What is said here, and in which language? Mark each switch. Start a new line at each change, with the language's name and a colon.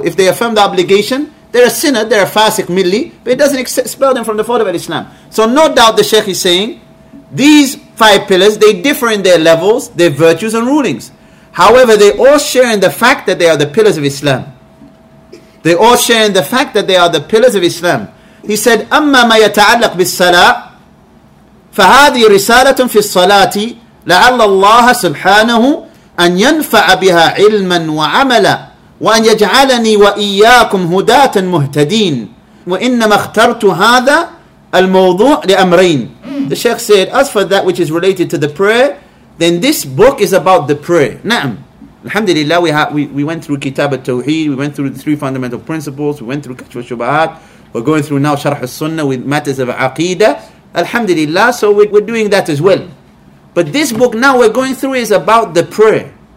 English: If they affirm the obligation, they're a sinner, they're a fasiq midli, but it doesn't expel them from the fold of Islam. So no doubt the Shaykh is saying, these five pillars, they differ in their levels, their virtues and rulings. However, they all share in the fact that they are the pillars of Islam. They all share in the fact that they are the pillars of Islam. He said,
Arabic: أَمَّا مَا يَتَعَلَّقْ بِالصَّلَاةِ فَهَذِي رِسَالَةٌ فِي الصَّلَاةِ لَعَلَّ اللَّهَ سُبْحَانَهُ أَنْ يَنْفَعَ بِهَا عِلْمًا وَعَمَلًا وَأَنْ يَجْعَلَنِي وَإِيَّاكُمْ هُدَاةً مُهْتَدِينَ وَإِنَّمَا اخْتَرْتُ هَذَا الْمَوْضُوعَ لِأَمْرَيْنَ.
English: The Shaykh said, as for that which is related to the prayer,
Arabic: then this book is about the prayer. Na'am.
English: Alhamdulillah, we went through Kitab al-Tawheed, we went through the three fundamental principles, we went through Kashf al-Shubahat, we're going through now Sharh al-Sunnah with matters of Aqeedah. Alhamdulillah, so we're doing that as well. But this book now we're going through is about the prayer.